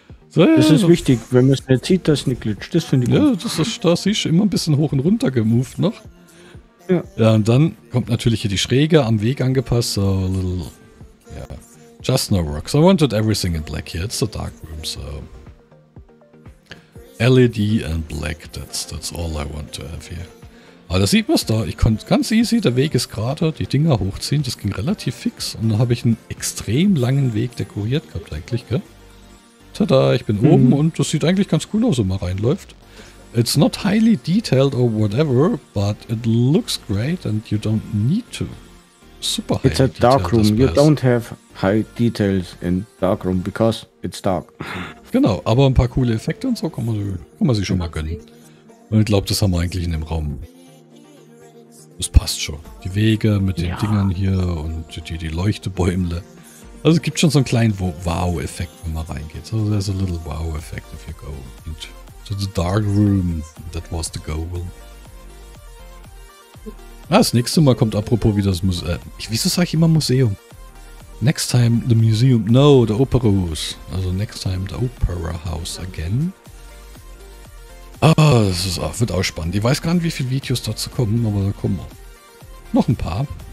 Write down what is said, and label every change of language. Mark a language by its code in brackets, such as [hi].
[de] So, das ist wichtig, wenn man es nicht sieht, dass es nicht glitscht. Das finde ich gut. Ja, da siehst du immer ein bisschen hoch und runter gemoved noch. Ja. Ja, und dann kommt natürlich hier die Schräge am Weg angepasst. [en] So, a little. Ja. Just no rocks. I wanted everything in black here. It's the dark room, so... LED and black, that's all I want to have here. [de] Aber da sieht man es da. Ich konnte ganz easy, der Weg ist gerade, die Dinger hochziehen. Das ging relativ fix. Und dann habe ich einen extrem langen Weg dekoriert gehabt eigentlich, gell? Tada, ich bin oben und das sieht eigentlich ganz cool aus, wenn man reinläuft. [en] It's not highly detailed or whatever, but it looks great and you don't need to. Super high. It's a dark room. You don't have high details in dark room because It's dark. [de] Genau, aber ein paar coole Effekte und so kann man sich schon mal gönnen. Und ich glaube, das haben wir eigentlich in dem Raum. Das passt schon. Die Wege mit den Dingern hier und die Leuchtebäumle. Also es gibt schon so einen kleinen Wow-Effekt, wenn man reingeht. [en] So, there's a little Wow-Effekt, if you go into the dark room. That was the goal. [de] Ah, das nächste Mal kommt apropos wieder das Museum. Wieso sage ich immer Museum? [en] Next time the museum. No, the opera house. Also next time the opera house again. [de] Ah, wird auch spannend. Ich weiß gar nicht, wie viele Videos dazu kommen, aber da kommen noch ein paar.